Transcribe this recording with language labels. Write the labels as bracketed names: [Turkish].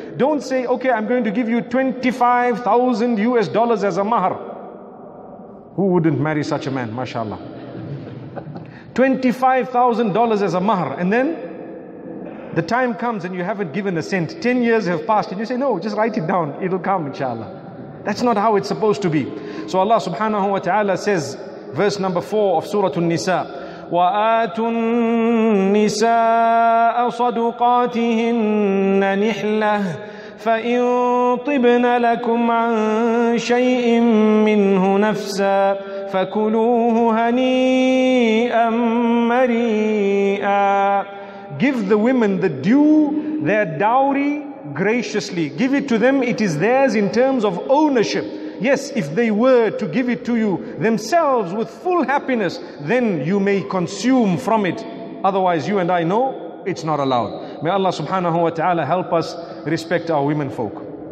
[English] Don't say, okay, I'm going to give you $25,000 as a mahr. Who wouldn't marry such a man? Mashallah. $25,000 as a mahr. And then the time comes and you haven't given a cent. 10 years have passed and you say, no, just write it down. It'll come, inshallah. That's not how it's supposed to be. So Allah subhanahu wa ta'ala says, verse number 4 of Surah An-Nisa, [Arabic] وَآتُوا النِّسَاءَ صَدُقَاتِهِنَّ نِحْلَةً فَإِنْ طِبْنَ لَكُمْ عَنْ شَيْءٍ مِّنْهُ نَفْسًا فَكُلُوهُ هَنِيئًا مَرِيئًا. [English] Give the women the due, their dowry, graciously. Give it to them. It is theirs in terms of ownership. Yes, if they were to give it to you themselves with full happiness, then you may consume from it. Otherwise, you and I know it's not allowed. May Allah subhanahu wa ta'ala help us respect our women folk.